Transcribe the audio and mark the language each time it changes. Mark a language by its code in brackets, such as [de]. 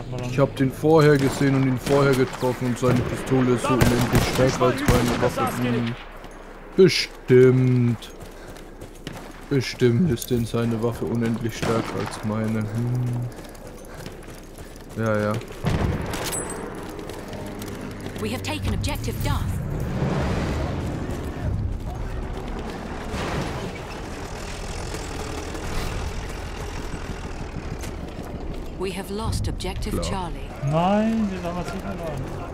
[de] Ich hab den vorher gesehen und ihn vorher getroffen und seine Pistole ist so unendlich stärker als meine Waffe. Bestimmt. Bestimmt ist denn seine Waffe unendlich stärker als meine. Ja, ja. [en] We have taken objective Darth. We have lost objective Klar. Charlie. [de] Nein, wir haben es nicht verloren.